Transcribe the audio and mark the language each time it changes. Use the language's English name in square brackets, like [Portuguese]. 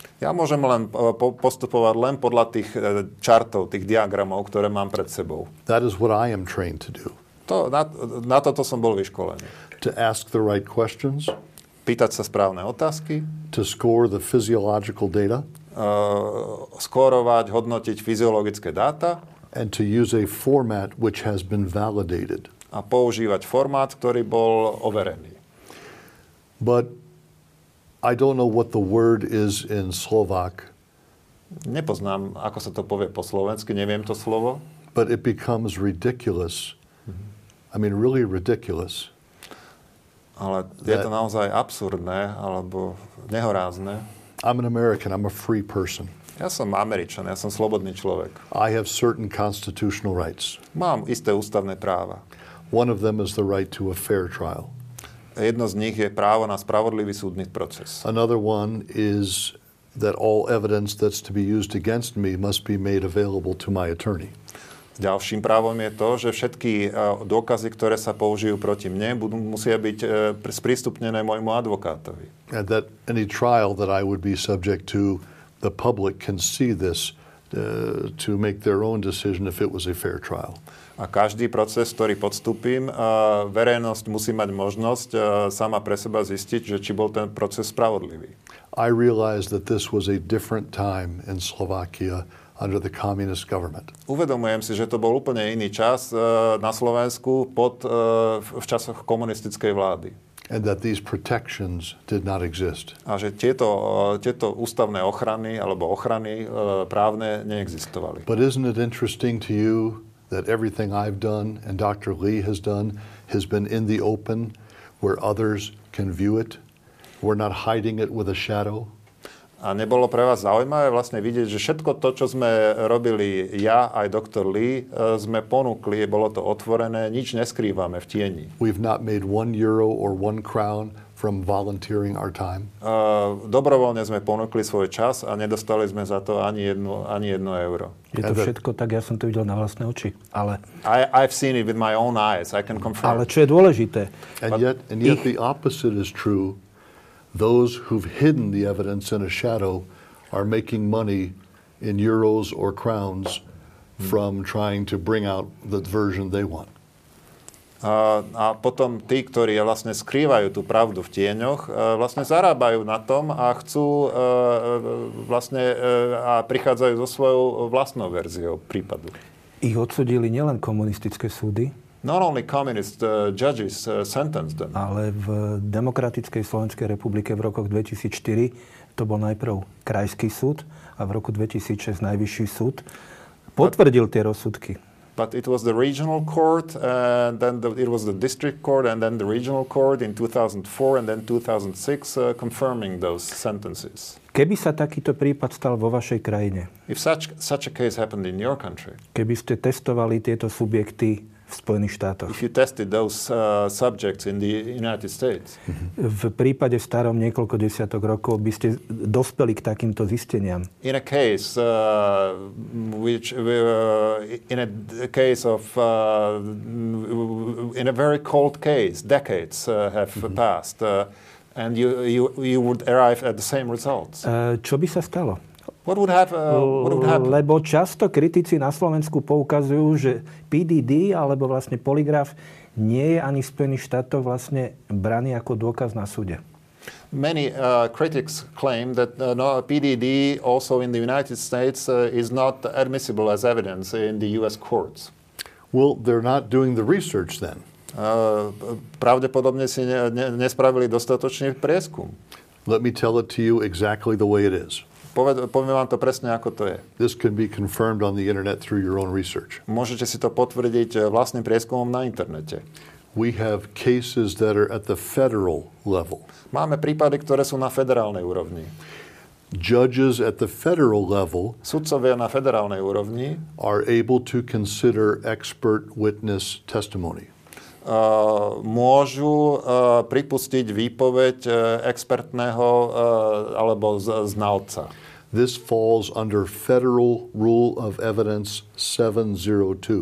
[Slovak] Ja môžem len postupovať len podľa tých chartov, tých diagramov, ktoré mám pred sebou. [English] That is what I am trained to do. [Slovak] Na toto som bol vyškolený. [English] To ask the right questions. [Slovak] Pýtať sa správne otázky. [English] To score the physiological data. [Slovak] Skórovať, hodnotiť fyziologické dáta. [English] And to use a format which has been validated. [Slovak] A používať formát, ktorý bol overený. [English] But I don't know what the word is in Slovak. [Slovak] Nepoznám, ako sa to povie po slovensky, neviem to slovo. [English] But it becomes ridiculous. Mm-hmm. I mean, really ridiculous. [Slovak] Ale je to naozaj absurdné, alebo nehorázne. [English] I'm an American, I'm a free person. [Slovak] Ja som Američan, ja som slobodný človek. [English] I have certain constitutional rights. [Slovak] Mám isté ústavné práva. [English] One of them is the right to a fair trial. [Slovak] Jedno z nich je právo na spravodlivý súdny proces. [English] Another one is that all evidence that's to be used against me must be made available to my attorney. [Slovak] Ďalším právom je to, že všetky dôkazy, ktoré sa použijú proti mne, musia byť sprístupnené môjmu advokátovi. [English] And that any trial that I would be subject to, the public can see this to make their own decision if it was a fair trial. [Slovak] A každý proces, ktorý podstúpim, verejnosť musí mať možnosť sama pre seba zistiť, že či bol ten proces spravodlivý. [English] I realized that this was a different time in Slovakia under the communist government. [Slovak] Uvedomujem si, že to bol úplne iný čas na Slovensku v časoch komunistickej vlády. [English] And that these protections did not exist. [Slovak] A že tieto ústavné ochrany alebo ochrany právne neexistovali. [English] But isn't it interesting to you that everything I've done and Dr. Lee has done has been in the open where others can view it? We're not hiding it with a shadow. [Slovak] A nebolo pre vás zaujímavé vlastne vidieť, že všetko to, čo sme robili ja aj doktor Lee, sme ponúkli, bolo to otvorené, nič neskrývame v tieni. [English] We've not made one euro or one crown from volunteering our time. [Slovak] Dobrovoľne sme ponúkli svoj čas a nedostali sme za to ani jedno euro. Je to všetko tak, ja som to videl na vlastné oči, ale [English] I've seen it with my own eyes. I can confirm. [Slovak] Ale čo je dôležité? [English] And yet the opposite is true. Those who've hidden the evidence in a shadow are making money in euros or crowns from trying to bring out the version they want. [Slovak] A potom tí, ktorí vlastne skrývajú tú pravdu v tieňoch, vlastne zarábajú na tom a chcú vlastne a prichádzajú so svojou vlastnou verziou prípadu. Ich odsudili nielen komunistické súdy. [English] Not only communist judges sentenced them. [Slovak] Ale v Demokratickej Slovenskej republike v rokoch 2004 to bol najprv krajský súd a v roku 2006 najvyšší súd potvrdil tie rozsudky. [English] But it was the regional court and then it was the district court and then the regional court in 2004 and then 2006 confirming those sentences. [Slovak] Keby sa takýto prípad stal vo vašej krajine? [English] If such a case happened in your country. [Slovak] Keby ste testovali tieto subjekty v Spojených štátoch. [English] If you tested those subjects in the United States. [Slovak] V prípade starom niekoľko desiatok rokov by ste dospeli k takýmto zisteniam. [English] In a case decades have passed and you would arrive at the same results. [Slovak] Čo by sa stalo? [English] What would happen? [Slovak] Lebo často kritici na Slovensku poukazujú, že PDD alebo vlastne poligraf nie je ani v Spojených štátoch vlastne braný ako dôkaz na súde. [English] Many critics claim that PDD also in the United States is not admissible as evidence in the US courts. Well, they're not doing the research then. [Slovak] Pravdepodobne si nespravili dostatočný prieskum. [English] Let me tell it to you exactly the way it is. [Slovak] Poviem vám to presne, ako to je. [English] This can be confirmed on the internet through your own research. [Slovak] Môžete si to potvrdiť vlastným prieskumom na internete. [English] We have cases that are at the federal level. [Slovak] Máme prípady, ktoré sú na federálnej úrovni. [English] Judges at the federal level, [Slovak] sudcovia na federálnej úrovni, [English] are able to consider expert witness testimony. [Slovak] Môžu pripustiť výpoveď expertného alebo znalca. [English] This falls under federal rule of evidence 702.